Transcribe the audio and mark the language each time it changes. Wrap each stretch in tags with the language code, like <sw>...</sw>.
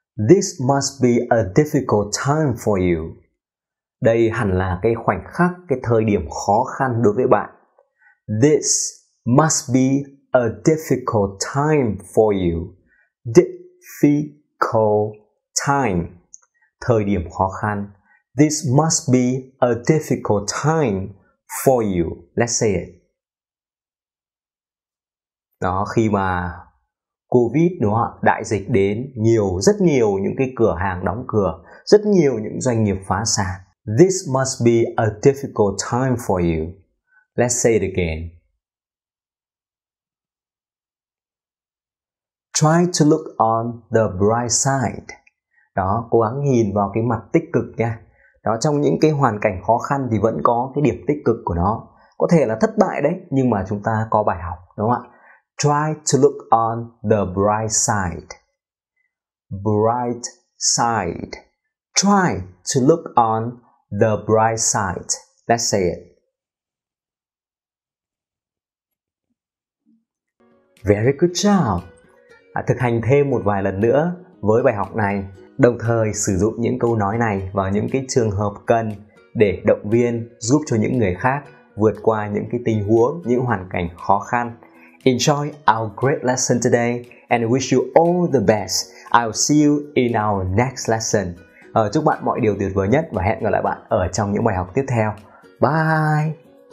<en>This must be a difficult time for you.</en> <vi>Đây hẳn là cái khoảnh khắc, cái thời điểm khó khăn đối với bạn.</vi> <en>This must be a difficult time for you. Difficult time.</en> <vi>Thời điểm khó khăn.</vi> <en>This must be a difficult time for you. Let's say it.</en> <vi>Đó, khi mà COVID đúng không ạ? Đại dịch đến, nhiều, rất nhiều những cái cửa hàng đóng cửa, rất nhiều những doanh nghiệp phá sản.</vi> <en>This must be a difficult time for you. Let's say it again. Try to look on the bright side.</en> <vi>Đó, cố gắng nhìn vào cái mặt tích cực nha. Đó, trong những cái hoàn cảnh khó khăn thì vẫn có cái điểm tích cực của nó. Có thể là thất bại đấy, nhưng mà chúng ta có bài học, đúng không ạ?</vi> <en>Try to look on the bright side. Bright side. Try to look on the bright side. Let's say it. Very good job.</en> <vi>Thực hành thêm một vài lần nữa với bài học này, đồng thời sử dụng những câu nói này vào những cái trường hợp cần để động viên, giúp cho những người khác vượt qua những cái tình huống, những hoàn cảnh khó khăn.</vi> <en>Enjoy our great lesson today and wish you all the best. I'll see you in our next lesson.</en> <vi>Chúc bạn mọi điều tuyệt vời nhất và hẹn gặp lại bạn ở trong những bài học tiếp theo. Bye!</vi>